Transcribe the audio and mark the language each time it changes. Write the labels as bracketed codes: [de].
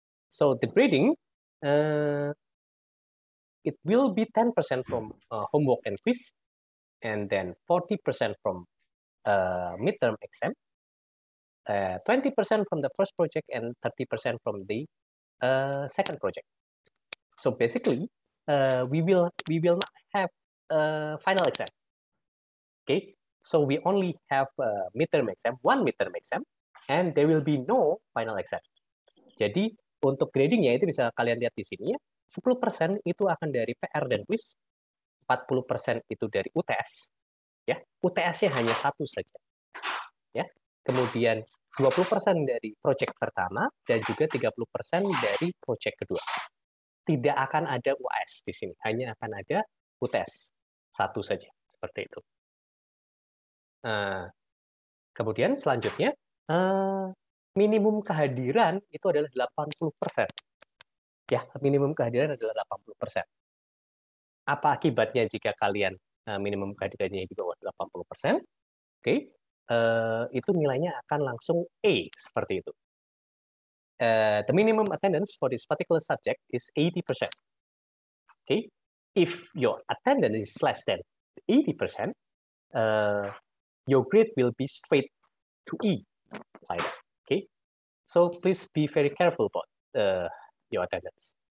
[en] So the grading, it will be 10% from homework and quiz, and then 40% from midterm exam, 20% from the first project, and 30% from the second project. So basically, we will not have a final exam. Okay. So we only have a midterm exam, one midterm exam, and there will be no final exam. [id] Jadi untuk gradingnya itu bisa kalian lihat di sini ya. 10% itu akan dari PR dan quiz, 40% itu dari UTS, ya. UTS-nya hanya satu saja, ya. Kemudian 20% dari project pertama dan juga 30% dari project kedua. Tidak akan ada UAS di sini, hanya akan ada UTS satu saja seperti itu. Kemudian selanjutnya minimum kehadiran itu adalah 80%. Ya, minimum kehadiran adalah 80%. Apa akibatnya jika kalian minimum kehadirannya di bawah 80%? okay, itu nilainya akan langsung A, seperti itu. [en] The minimum attendance for this particular subject is 80%. Okay? If your attendance is less than 80%, your grade will be straight to E. Like, okay? So please be very careful about your attendance.